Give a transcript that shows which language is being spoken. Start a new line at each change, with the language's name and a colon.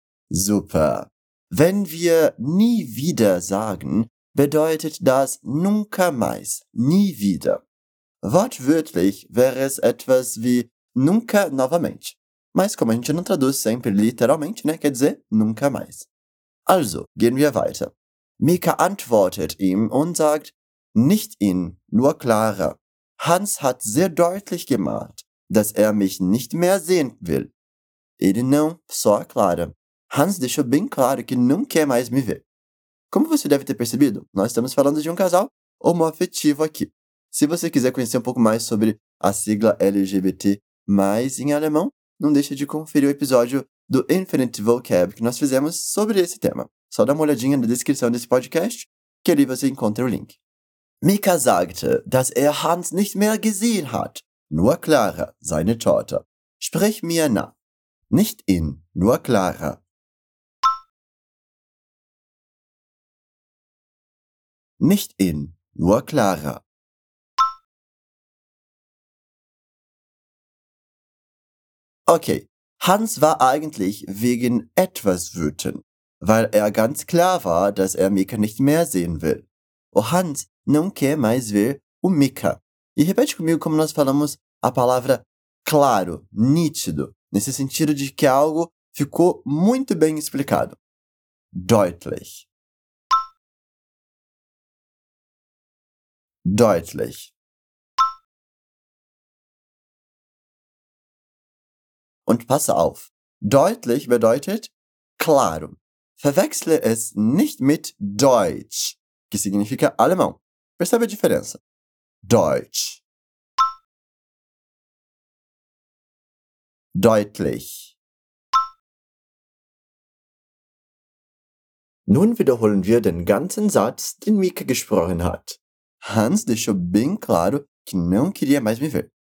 German: Super. Wenn wir nie wieder sagen, bedeutet das
Portuguese: nunca mais,
German: nie wieder. Wortwörtlich wäre es etwas wie
Portuguese: nunca novamente. Mas como a gente não traduz sempre literalmente, né, quer dizer nunca mais.
German: Also, gehen wir weiter. Mika antwortet ihm und sagt, nicht ihn, nur Clara. Hans hat sehr deutlich gemacht, dass er mich nicht mehr sehen will.
Portuguese: Ele não, só a Clara. Hans deixou bem claro que não quer mais me ver. Como você deve ter percebido, nós estamos falando de um casal homoafetivo aqui. Se você quiser conhecer um pouco mais sobre a sigla LGBT+, em alemão, não deixa de conferir o episódio do Infinite Vocab que nós fizemos sobre esse tema. Só dá uma olhadinha na descrição desse podcast, que ali você encontra o link.
German: Mika sagte, dass Hans nicht mehr gesehen hat, nur Clara, seine Tochter. Sprich mir nach. Nicht ihn, nur Clara. Nicht ihn, nur Clara. Okay, Hans war eigentlich wegen etwas wütend, weil er ganz klar war, dass er Mika nicht mehr sehen will.
Portuguese: O Hans não quer mais ver o Mika. E repete comigo como nós falamos a palavra claro, nítido, nesse sentido de que algo ficou muito bem explicado.
German: Deutlich. Deutlich. Und passe auf. Deutlich bedeutet claro. Verwechsle es nicht mit Deutsch,
Portuguese: que significa alemão. Percebe a diferença. Deutsch.
German: Deutlich. Nun wiederholen wir den ganzen Satz, den Mika gesprochen hat.
Portuguese: Hans deixou bem claro que não queria mais me ver.